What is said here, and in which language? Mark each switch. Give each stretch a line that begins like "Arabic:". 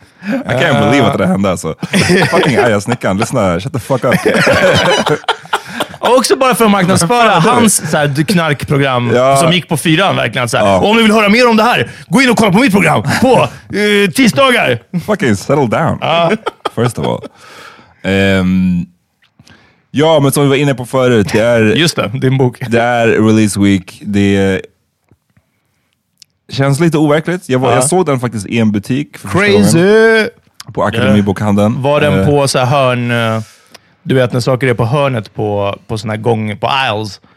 English: I can't believe
Swedish: att det hände alltså.
English: Fucking arga snickaren,
Swedish: lyssna,
English: shut the fuck up.
Swedish: Och också bara för att marknadsföra hans så här, knarkprogram som gick på fyran verkligen. Så här. Och om ni vill höra mer om det här, gå in och kolla på mitt program på tisdagar.
English: Fucking settle down, first of all.
Swedish: Ja, men som vi var inne på förut, det är... Just det, din bok. Det är release week, det är... Känns lite overkligt. Jag såg den faktiskt i en butik för
English: crazy
Swedish: på Akademibokhandeln. Var den på så här hörn, du vet när saker är på hörnet på såna gång på aisles,